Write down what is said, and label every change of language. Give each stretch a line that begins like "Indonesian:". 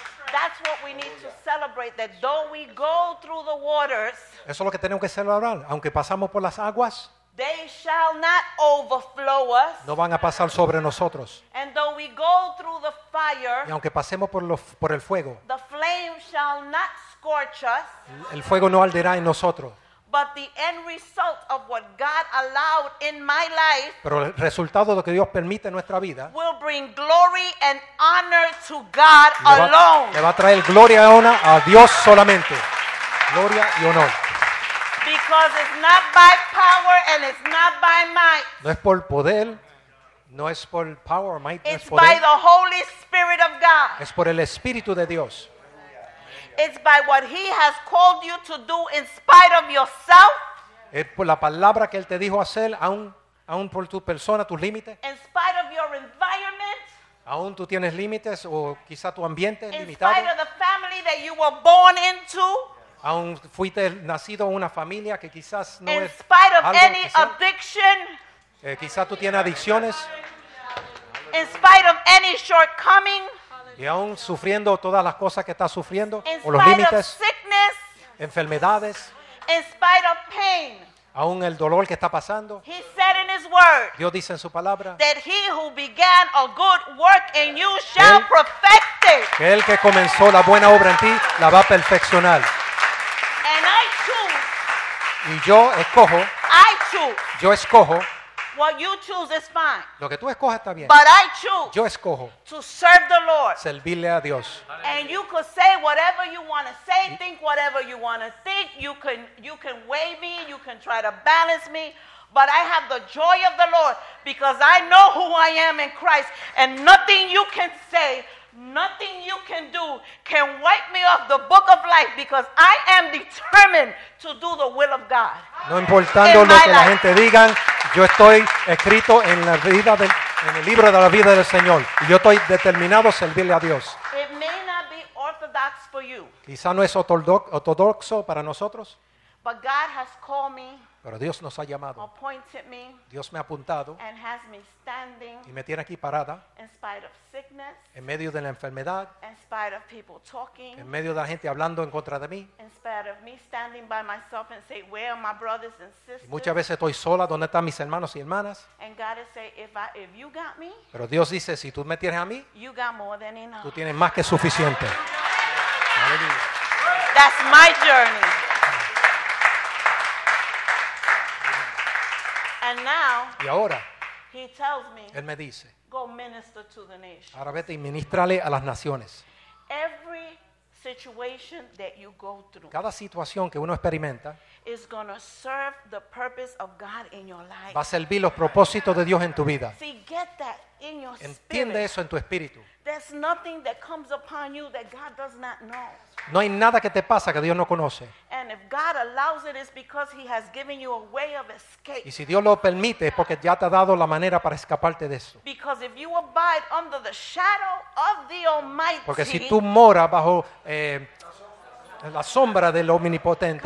English: That's what we need to celebrate, that though we go through the waters,
Spanish: eso es lo que tenemos que celebrar, aunque pasamos por las aguas,
English: they shall not overflow us,
Spanish: no van a pasar sobre nosotros,
English: and though we go through the fire,
Spanish: y aunque pasemos por el fuego,
English: the flame shall not scorch us,
Spanish: el fuego no arderá en nosotros,
English: but the end result of what God allowed in my life,
Spanish: pero el resultado de lo que Dios permite en nuestra vida,
English: will bring glory and honor to God alone.
Spanish: Le va a traer gloria y honra a Dios solamente. Gloria y honor.
English: Because it's not by power and it's not by might.
Spanish: No es por poder, no es por
English: power or might. It's
Spanish: no es poder.
English: By the Holy Spirit of God.
Spanish: Es por el Espíritu de Dios.
English: It's by what he has called you to do in spite of yourself.
Spanish: Es por la palabra que él te dijo hacer, aún por tu persona, tus límites.
English: In spite of your environment.
Spanish: Aún tú tienes límites o quizá tu ambiente es
English: in
Spanish: limitado.
English: In spite of the family that you were born into.
Spanish: Aún fuiste nacido en una familia que quizás no
English: in
Spanish: es
English: spite of any addiction.
Spanish: Quizás tú tienes adicciones.
English: In spite of any shortcoming.
Spanish: Y aún sufriendo todas las cosas que estás sufriendo,
English: in
Spanish: o los límites,
English: sickness,
Spanish: enfermedades,
English: in spite of pain,
Spanish: aún el dolor que está pasando,
English: he said in his word,
Spanish: Dios dice en su palabra,
English: that he who began a good work in you shall perfect it.
Spanish: Que el que comenzó la buena obra en ti la va a perfeccionar.
English: And I choose,
Spanish: y yo escojo,
English: I choose,
Spanish: yo escojo.
English: What you choose is fine.
Spanish: Lo que tú escojas está bien.
English: But I choose.
Spanish: Yo escojo.
English: To serve the Lord.
Spanish: Servirle a Dios.
English: And you could say whatever you want to say, think whatever you want to think. You can wave me, you can try to balance me, But I have the joy of the Lord because I know who I am in Christ. And nothing you can say, nothing you can do can wipe me off the book of life because I am determined to do the will of God.
Spanish: No importando lo que la gente digan, yo estoy escrito en la vida del, en el libro de la vida del Señor. Y yo estoy determinado a servirle a Dios.
English: It may not be orthodox for you.
Spanish: Quizá no es ortodoxo para nosotros.
English: But God has called me.
Spanish: Pero Dios nos ha llamado.
English: Appointed me.
Spanish: Dios me ha apuntado.
English: And has me standing.
Spanish: Y me tiene aquí parada.
English: In spite of sickness.
Spanish: En medio de la enfermedad.
English: In spite of people talking.
Spanish: En medio de la gente hablando en contra de mí.
English: In spite of me standing by myself and say, where are my brothers and sisters?
Spanish: Y muchas veces estoy sola, ¿dónde están mis hermanos y hermanas?
English: And God is saying, if you got me.
Spanish: Pero Dios dice, si tú me tienes a mí.
English: You got more than enough.
Spanish: Tú tienes más que suficiente.
English: That's my journey. And now,
Spanish: y ahora,
English: he tells me,
Spanish: él me dice,
English: go minister to the nations.
Spanish: Ahora vete y ministrale a las naciones.
English: Every situation that you go through,
Spanish: cada situación que uno experimenta,
English: is going to serve the purpose of God in your life.
Spanish: Va a servir los propósitos de Dios en tu vida.
English: See, get that in your spirit.
Spanish: Entiende eso en tu espíritu.
English: There's nothing that comes upon you that God does not know.
Spanish: No hay nada que te pasa que Dios no conoce.
English: And if God allows it, it's because he has given you a way of escape.
Spanish: Y si Dios lo permite, es porque ya te ha dado la manera para escaparte de eso.
English: Because if you abide under the shadow of the Almighty.
Spanish: Porque si tú moras bajo la sombra del Omnipotente.